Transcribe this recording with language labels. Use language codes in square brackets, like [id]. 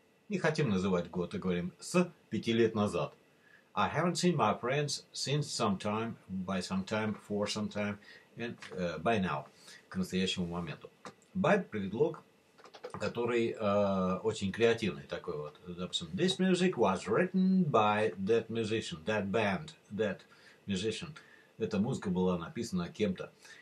[ru] Не хотим называть год, а говорим с 5 лет назад. [en] I haven't seen my friends since sometime, by sometime, for sometime, and by now, [ru] к настоящему моменту. By – предлог, который очень креативный такой вот. [en] Допустим, this music was written by that musician, that band, that musician. [ru] Эта музыка была написана кем-то.